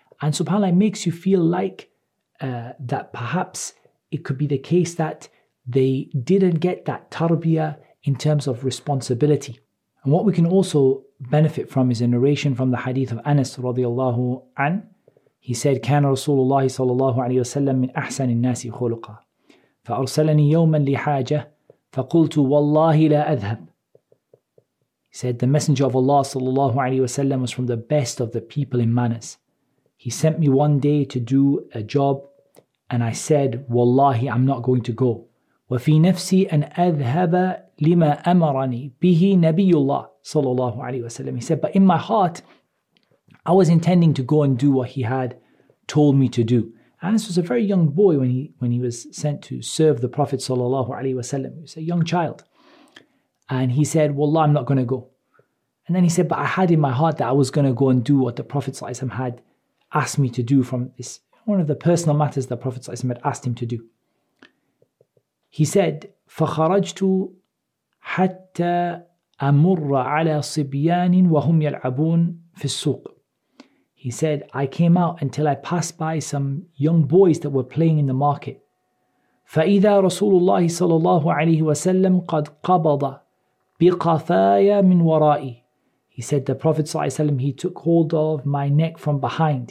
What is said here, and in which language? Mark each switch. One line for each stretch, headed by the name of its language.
English: And SubhanAllah, it makes you feel like that perhaps it could be the case that they didn't get that tarbiyah in terms of responsibility. And what we can also benefit from is a narration from the hadith of Anas radiallahu anhu. He said,
Arabic: كان رسول الله صلى الله عليه وسلم من أحسن الناس خلقا فأرسلني يوما لحاجة فقلت والله لا أذهب.
English: He said, the messenger of Allah صلى الله عليه وسلم was from the best of the people in manners. He sent me one day to do a job and I said, والله I'm not going to go.
Arabic: وفي نفسي أن أذهب لما أمرني به نبي الله صلى الله عليه وسلم.
English: He said, but in my heart, I was intending to go and do what he had told me to do. And this was a very young boy when he was sent to serve the Prophet sallallahu alaihi wasallam. He was a young child. And he said, wallah, I'm not going to go. And then he said, but I had in my heart that I was going to go and do what the Prophet sallallahu alaihi wasallam had asked me to do from this, one of the personal matters the Prophet sallallahu alaihi wasallam had asked him to do. He said,
Arabic: فَخَرَجْتُ حَتَّى أَمُرَّ عَلَى صِبْيَانٍ وَهُمْ يَلْعَبُونَ فِي السُّوقِ.
English: He said, I came out until I passed by some young boys that were playing in the market.
Arabic: فَإِذَا رَسُولُ اللَّهِ صَلَى اللَّهُ عَلَيْهِ وَسَلَّمْ قَدْ قَبَضَ بِقَفَايَ مِنْ وَرَائِي.
English: He said, the Prophet ﷺ, he took hold of my neck from behind.